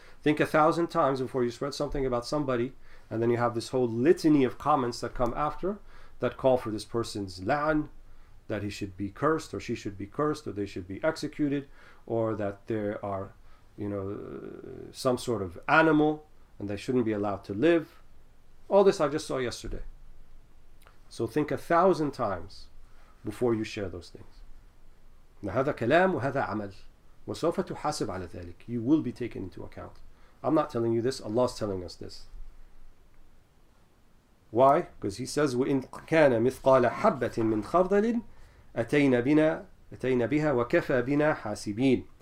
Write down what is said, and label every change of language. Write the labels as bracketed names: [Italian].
[English] Think 1,000 times before you spread something about somebody, and then you have this whole litany of comments that come after that call for this person's la'an, that he should be cursed or she should be cursed or they should be executed, or that they are, you know, some sort of animal and they shouldn't be allowed to live. All this I just saw yesterday. So think 1,000 times before you share those things. [Arabic] هذا كلام وهذا عمل وسوف تحاسب على ذلك. [English] You will be taken into account. I'm not telling you this. Allah is telling us this. Why? Because He says, [Arabic] وَإِنْ كَانَ مِثْقَالَ حَبَّةٍ مِنْ خَرْدَلٍ أَتَيْنَا بِهَا وَكَفَى بِنَا حَاسِبِينَ.